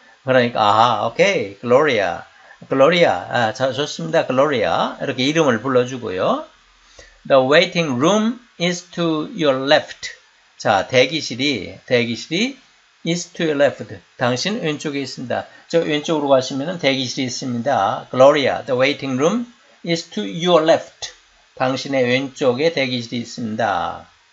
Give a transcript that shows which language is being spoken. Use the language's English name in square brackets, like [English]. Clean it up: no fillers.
[Korean] 그러니까 아, 오케이, Gloria, 좋습니다, Gloria 이렇게 이름을 불러주고요. [English] The waiting room is to your left. [Korean] 자, 대기실이 [English] is to your left. [Korean] 당신 왼쪽에 있습니다. 저 왼쪽으로 가시면은 대기실이 있습니다. [English] Gloria, the waiting room is to your left. [Korean] 당신의 왼쪽에 대기실이 있습니다.